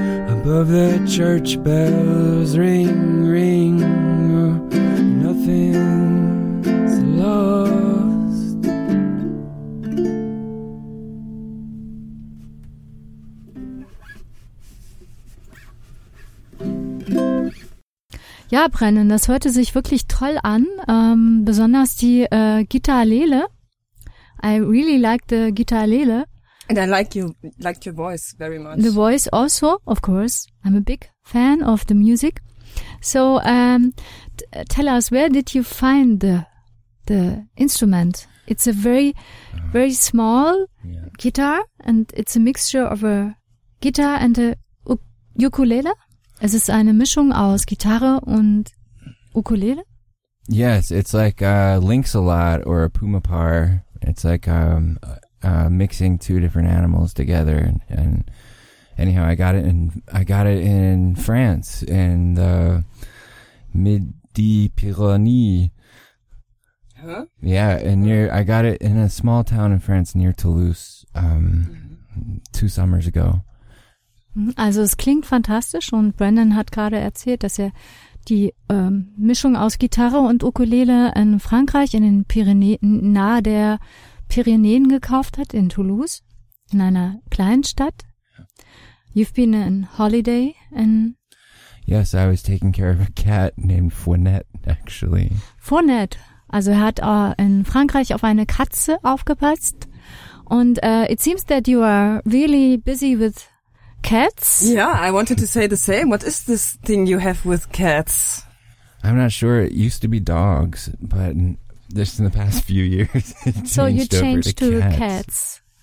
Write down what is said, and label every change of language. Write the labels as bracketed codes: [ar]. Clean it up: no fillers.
[en] Above the church bells ring, ring, oh, nothing's lost. [de] Ja, Brennan, das hörte sich wirklich toll an, besonders die Gitarrele. [en] I really like the Gitarrele. And I like your voice very much. The voice also, of course. I'm a big fan of the music. So tell us, where did you find the instrument? It's a very, very small guitar, and it's a mixture of a guitar and a ukulele. [de] Es ist eine Mischung aus Gitarre und Ukulele. [en] Yes, it's like a Lynxalot or a Pumapar. It's like mixing two different animals together, and anyhow, I got it in France in the Midi-Pyrénées. Huh? Yeah, and I got it in a small town in France near Toulouse, two summers ago. [de] Also, es klingt fantastisch, und Brendan hat gerade erzählt, dass er die Mischung aus Gitarre und Ukulele in Frankreich in den Pyrenäen nahe der Pyrenäen gekauft hat, in Toulouse, in einer kleinen Stadt. [en] You've been on holiday in... Yes, I was taking care of a cat named Fournette, actually. Fournette. [de] Also er hat in Frankreich auf eine Katze aufgepasst. [en] Und it seems that you are really busy with cats. Yeah, I wanted to say the same. What is this thing you have with cats? I'm not sure. It used to be dogs, but... Just in the past few years, so you changed to cats.